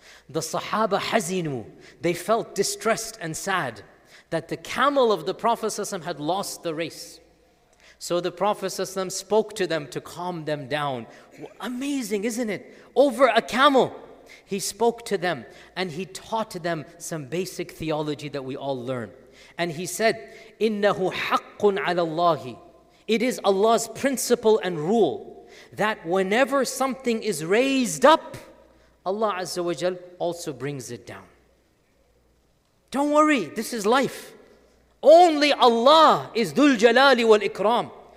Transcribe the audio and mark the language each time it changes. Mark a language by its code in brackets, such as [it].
[en] The Sahaba hazinu, they felt distressed and sad that the camel of the Prophet ﷺ had lost the race. So the Prophet ﷺ spoke to them to calm them down. Amazing, isn't it? Over a camel, he spoke to them and he taught them some basic theology that we all learn. And he said, [ar] إِنَّهُ حَقٌ عَلَى اللَّهِ. [en] It is Allah's principle and rule that whenever something is raised up, Allah Azza wa Jal also brings it down. Don't worry, this is life. Only Allah is Dhul Jalali wal Ikram.